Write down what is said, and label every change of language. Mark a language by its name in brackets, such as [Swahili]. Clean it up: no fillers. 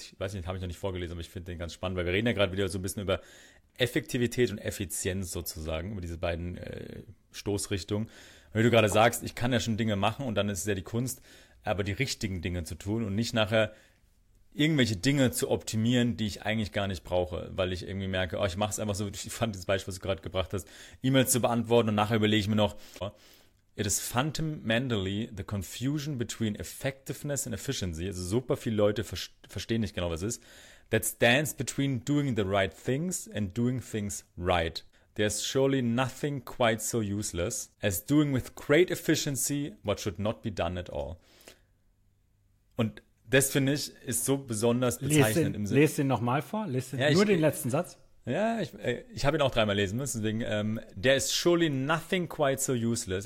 [German] Ich weiß nicht, den habe ich noch nicht vorgelesen, aber ich finde den ganz spannend, weil wir reden ja gerade wieder so ein bisschen über Effektivität und Effizienz sozusagen, über diese beiden Stoßrichtungen. Wenn du gerade sagst, ich kann ja schon Dinge machen und dann ist es ja die Kunst, aber die richtigen Dinge zu tun und nicht nachher irgendwelche Dinge zu optimieren, die ich eigentlich gar nicht brauche, weil ich irgendwie merke, oh, ich mache es einfach so, ich fand dieses Beispiel, was du gerade gebracht hast, E-Mails zu beantworten und nachher überlege ich mir noch. [English] It is fundamentally the confusion between effectiveness and efficiency. [German] Also super viele Leute verstehen nicht genau, was es ist. [English] That stands between doing the right things and doing things right. There's surely nothing quite so useless as doing with great efficiency what should not be done at all. [German] Und das finde ich ist so besonders bezeichnend im Sinne. Lest ihn nochmal vor, lest Ja, ihn, nur den letzten Satz. ich habe ihn auch dreimal lesen müssen. Deswegen, [English] there is surely nothing quite so useless.